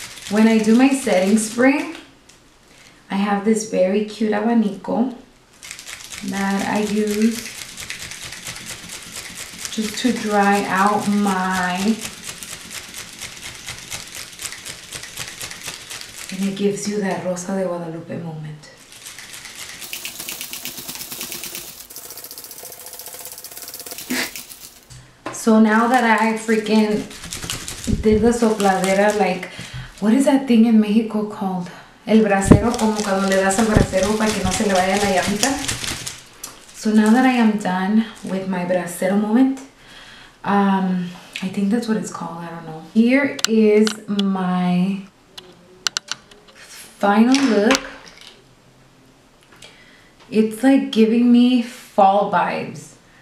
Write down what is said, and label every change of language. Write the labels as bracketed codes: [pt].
[en] When I do my setting spray, I have this very cute abanico that I use just to dry out my, and it gives you that Rosa de Guadalupe moment. So now that I freaking did the sopladera, like, what is that thing in Mexico called? [es] El brasero, como cuando le das el brasero para que no se le vaya la llamita. [en] So now that I am done with my brasero moment, I think that's what it's called, I don't know. Here is my final look. It's like giving me fall vibes.